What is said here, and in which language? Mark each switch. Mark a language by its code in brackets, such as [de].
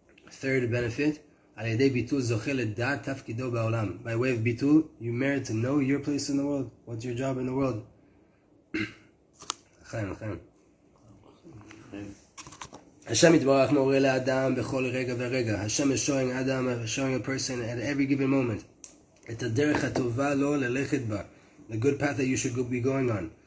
[en] Third benefit, [he] על ידי ביטול זוכה לדעת תפקידו בעולם. [en] By way of ביטול, you merit to know your place in the world. What's your job in the world? [he] חיים, חיים. Hashem יתברך מורה לאדם בכל רגע ורגע. [en] Hashem is showing Adam, showing a person at every given moment. [he] את הדרך הטובה לו ללכת בה. [en] The good path that you should be going on.